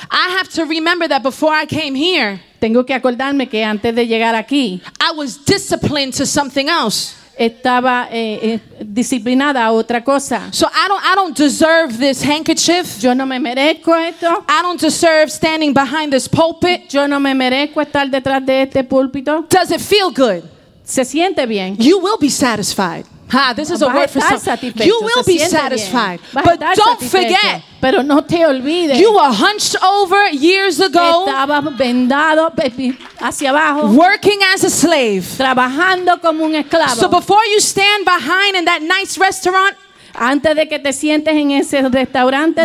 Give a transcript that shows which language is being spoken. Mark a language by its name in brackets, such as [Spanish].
[English] I have to remember that before I came here. [Spanish] Tengo que acordarme que antes de llegar aquí, [English] I was disciplined to something else. [Spanish] Estaba disciplinada a otra cosa. [English] So I don't deserve this handkerchief. [Spanish] Yo no me merezco esto. [English] I don't deserve standing behind this pulpit. [Spanish] Yo no me merezco estar detrás de este púlpito. [English] Does it feel good? [Spanish] Se siente bien. [English] You will be satisfied. Ha, this is a word for something. You will be satisfied. But don't forget. [Spanish] Pero no te olvides. [English] You were hunched over years ago. [Spanish] Estaba vendado hacia abajo. [English] Working as a slave. [Spanish] Trabajando como un esclavo. [English] So before you stand behind in that nice restaurant, [Spanish] antes de que te sientes en ese restaurante,